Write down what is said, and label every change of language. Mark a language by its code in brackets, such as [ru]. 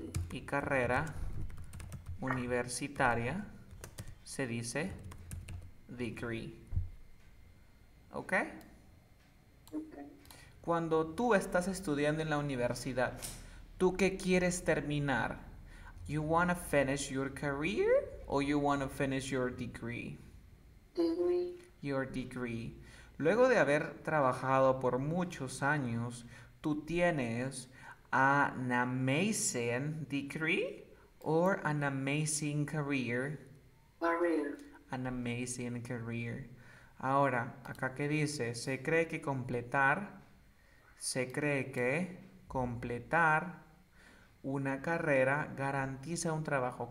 [es] Y carrera universitaria, se dice degree. ¿Ok? Cuando tú estás estudiando en la universidad, ¿tú qué quieres terminar? [en] ¿You want to finish your career o you want to finish your degree? Your degree. [es] Luego de haber trabajado por muchos años, ¿tú tienes [en] an amazing degree or an amazing career? An amazing career. [es] Ahora, acá qué dice, se cree que completar una carrera garantiza un trabajo.